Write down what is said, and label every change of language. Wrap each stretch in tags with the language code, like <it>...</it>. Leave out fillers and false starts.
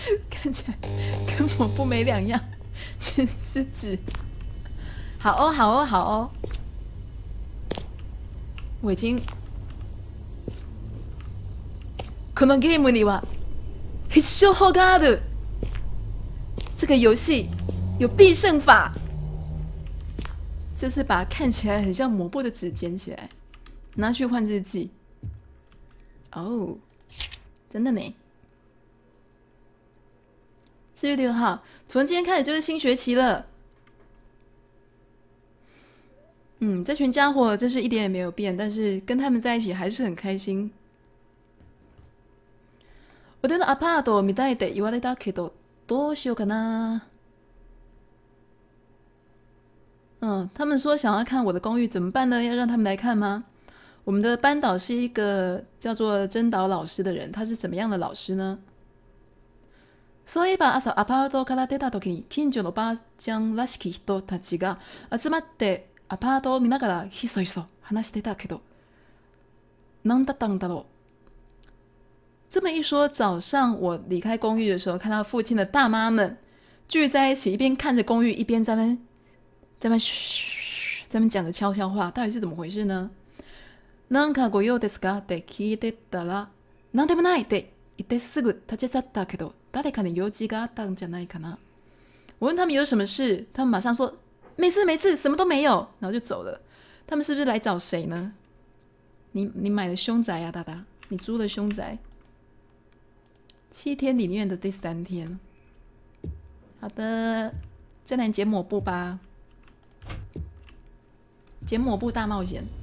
<zh>看起来跟抹布没两样，其实是纸。好哦，好哦，好哦。我已经，</zh> <ja>このゲームには必勝法がある。</ja> <zh>这个游戏有必胜法，就是把看起来很像抹布的纸捡起来，拿去换日记。哦，真的呢。 4月6号，从今天开始就是新学期了。嗯，这群家伙真是一点也没有变，但是跟他们在一起还是很开心。我的</zh> <ja>アパートを見たいって言われたけど、どうしようかな。</ja> <zh>嗯，他们说想要看我的公寓，怎么办呢？要让他们来看吗？我们的班导是一个叫做真岛老师的人，他是怎么样的老师呢？</zh> <ja>そういえば朝アパートから出た時に、近所のおばあちゃんらしき人たちが集まってアパートを見ながらひそひそ話してたけど、何だったんだろう。</ja> <zh>这么一说，早上我离开公寓的时候，看到附近的大妈们聚在一起，一边看着公寓，一边在那嘘，在那讲着悄悄话，到底是怎么回事呢？</zh> <ja>なんかご用ですかって聞いてたら、なんでもないって言ってすぐ立ち去ったけど、誰かに用事があったんじゃないかな。</ja> <zh>我问他们有什么事，他们马上说。没事没事，什么都没有，然后就走了。他们是不是来找谁呢？你买的凶宅呀，大大，你租的凶宅。 7天里面的第三天，好的，再来捡抹布吧，捡抹布大冒险。</zh>